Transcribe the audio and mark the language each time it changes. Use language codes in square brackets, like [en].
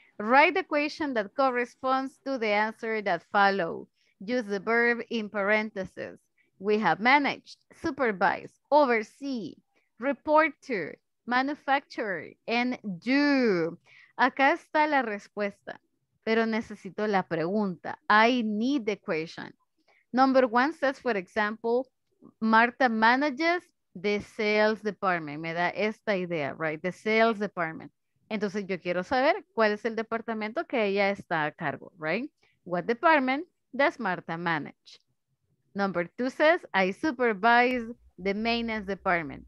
[en] Write the question that corresponds to the answer that follow. Use the verb in parentheses. We have managed, supervise, oversee, report to, manufacture, and do. [es] Acá está la respuesta, pero necesito la pregunta. [en] I need the question. Number one says, for example, Marta manages the sales department. [es] Me da esta idea, right? [en] The sales department. [es] Entonces yo quiero saber cuál es el departamento que ella está a cargo, right? [en] What department does Marta manage? Number two says, I supervise the maintenance department.